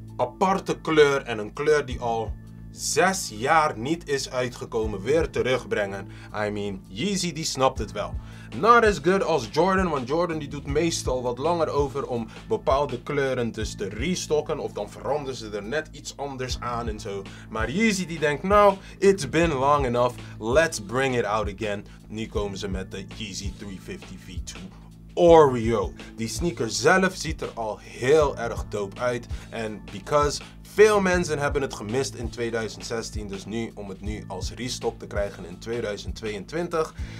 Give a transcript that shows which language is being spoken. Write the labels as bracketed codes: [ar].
[nl] Aparte kleur en een kleur die al 6 jaar niet is uitgekomen weer terugbrengen. [en] I mean, [nl] Yeezy die snapt het wel. [en] Not as good [nl] als Jordan, want Jordan die doet meestal wat langer over om bepaalde kleuren dus te restocken. Of dan veranderen ze er net iets anders aan en zo. Maar Yeezy die denkt, nou, [en] it's been long enough. Let's bring it out again. [nl] Nu komen ze met de Yeezy 350 V2. Oreo. Die sneaker zelf ziet er al heel erg dope uit. En [en] because [nl] veel mensen hebben het gemist in 2016. Dus nu om het nu als restock te krijgen in 2022.